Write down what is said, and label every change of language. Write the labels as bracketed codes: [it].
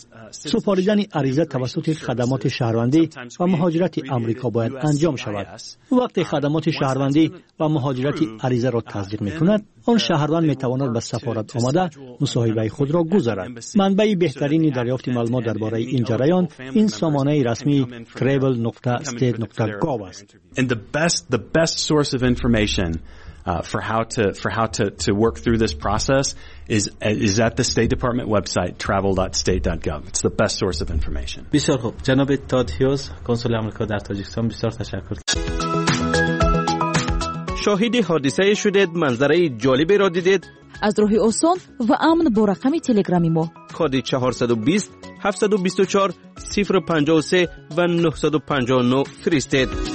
[fa] سپاریدن عریضه توسط خدمات شهروندی و مهاجرت آمریکا باید انجام شود. وقتی خدمات شهروندی و مهاجرت عریضه را تصدیق می‌کند، آن شهروند می‌تواند به سفارت آمده مصاحبه خود را گذارد. منبع بهترین دریافت معلومات درباره این جریان این سامانه رسمی travel.state.gov است. [en] And the best source of information for how to work through this process is at the State Department website travel.state.gov. It's the best source of information. [fa] بسیار خوب، جناب تاد هیوز، کنسول آمریکا در تاجیکستان، بسیار تشکر. شاهد حادثه شدید، منظره جالبی را دیدید. از راه آسان و امن با رقم تلگرامی ما کد 420 724 053 و 959 فرستید.